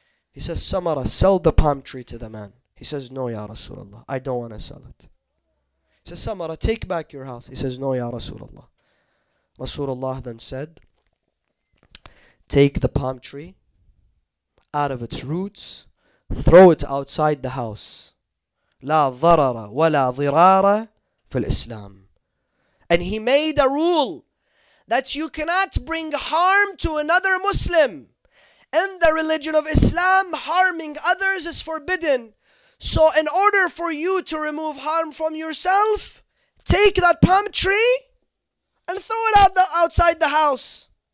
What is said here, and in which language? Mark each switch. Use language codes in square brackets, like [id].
[en] He says, Samara, sell the palm tree to the man. He says, no, Ya Rasulullah, I don't want to sell it. He says, Samara, take back your house. He says, no, Ya Rasulullah. Rasulullah then said, take the palm tree out of its roots, throw it outside the house. [ar] لا ضرر ولا ضرار في الإسلام. [en] And he made a rule that you cannot bring harm to another Muslim. In the religion of Islam, harming others is forbidden. So in order for you to remove harm from yourself, take that palm tree and throw it outside the house.